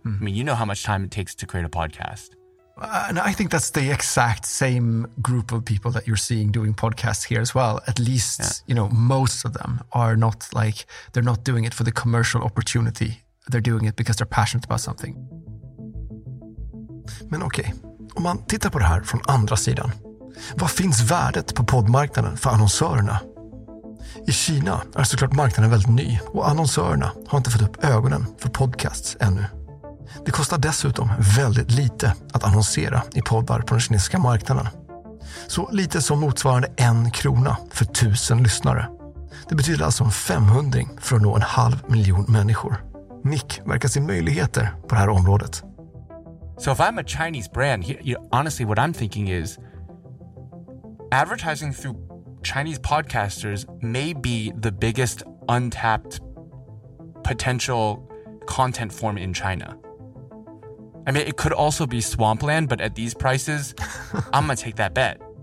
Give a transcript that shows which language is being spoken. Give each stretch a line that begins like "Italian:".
English: Mm-hmm. I mean, you know how much time it takes to create a podcast. And I think that's the exact same group of people that you're seeing doing podcasts here as well. At least, you know, most of them are not like, they're not doing it for the commercial opportunity. They're doing it because they're passionate about something.
Swedish: Men okej, om man tittar på det här från andra sidan, vad finns värdet på poddmarknaden för annonsörerna? I Kina är såklart marknaden väldigt ny, och annonsörerna har inte fått upp ögonen för podcasts ännu. Det kostar dessutom väldigt lite att annonsera i poddar på den kinesiska marknaden. Så lite som motsvarande 1 krona för 1000 lyssnare. Det betyder alltså en 500 för att nå 500 000 människor. Nick verkar se möjligheter på det här området.
English: So if I'm a Chinese brand, honestly, what I'm thinking is, advertising through Chinese podcasters may be the biggest untapped potential content form in China. I mean, it could also be swampland, but at these prices, I'm going to take that bet.